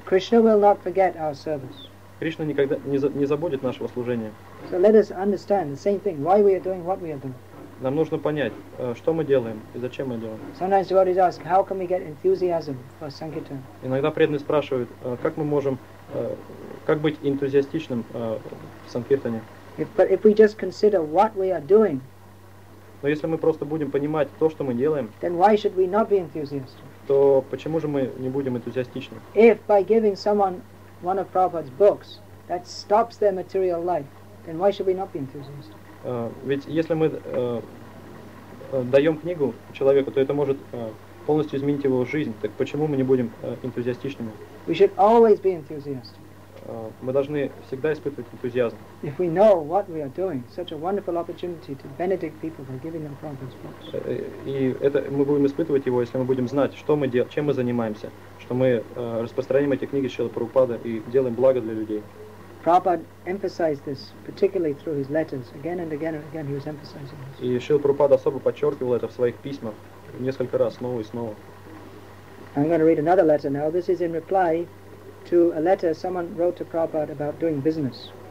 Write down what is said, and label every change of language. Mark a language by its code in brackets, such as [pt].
[en] Krishna will not forget our service. [ru] Кришна никогда не забудет нашего служения. [en] So let us understand the same thing, why we are doing what we are doing. [ru] Нам нужно понять, что мы делаем и зачем мы делаем. [en] Sometimes devotees ask, how can we get enthusiasm for Sankirtan? [ru] Иногда преданные спрашивают, как мы можем, как быть энтузиастичным в Санкиртане. [en] If we just consider what we are doing, [ru] но если мы просто будем понимать то, что мы делаем, [en] then why should we not be enthusiastic? [ru] То почему же мы не будем энтузиастичны? [en] If by giving someone one of Prabhupada's books that stops their material life, then why should we not be enthusiastic? [ru] Ведь если мы даем книгу человеку, то это может полностью изменить его жизнь. Так почему мы не будем энтузиастичными? [en] We should always be enthusiastic. [ru] Мы должны всегда испытывать энтузиазм. [en] If we know what we are doing, such a wonderful opportunity to benedict people by giving them Prabhupada's books. [ru] И это мы будем испытывать его, если мы будем знать, что мы делаем, чем мы занимаемся, что мы распространяем эти книги Шрилы Прабхупады и делаем благо для людей. [en] Prabhupada emphasized this particularly through his letters. Again and again and again he was emphasizing this. [ru] И Шрила Прабхупада особо подчеркивал это в своих письмах несколько раз, снова и снова. [en] I'm going to read another letter now. This is in reply to a letter someone wrote to Prabhupada about doing business.